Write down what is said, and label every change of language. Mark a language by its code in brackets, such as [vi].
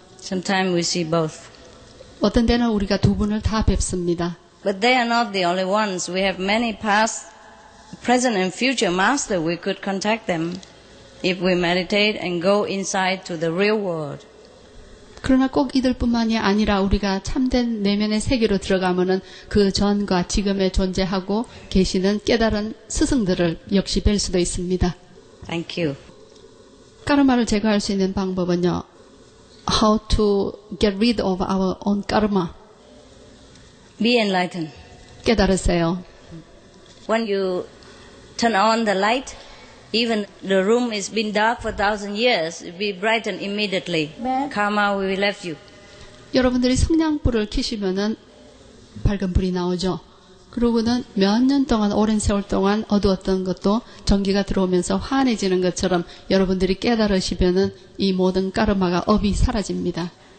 [en] Sometimes we see both. [ko] 어떤 때는 우리가 두 분을 다 뵙습니다. [en] But they are not the only ones. We have many past, present and future masters. We could contact them if we meditate and go inside to the real world. [ko] 그러나 꼭 이들뿐만이 아니라 우리가 참된 내면의 세계로 들어가면은 그 전과 지금에 존재하고 계시는 깨달은 스승들을 역시 뵐 수도 있습니다. [en] Thank you. [ko] 까르마를 제거할 수 있는 방법은요. [en] How to get rid of our own karma? Be enlightened. [ko] 깨달으세요. [en] When you turn on the light, even the room has been dark for 1,000 years, it will be brightened immediately. Karma will be left you. [ko] 여러분들이 성냥불을 켜시면은 밝은 불이 나오죠. 그러고는 몇 년 동안 오랜 세월 동안 어두웠던 것도 전기가 들어오면서 환해지는 것처럼 여러분들이 깨달으시면은 이 모든 까르마가 업이 사라집니다.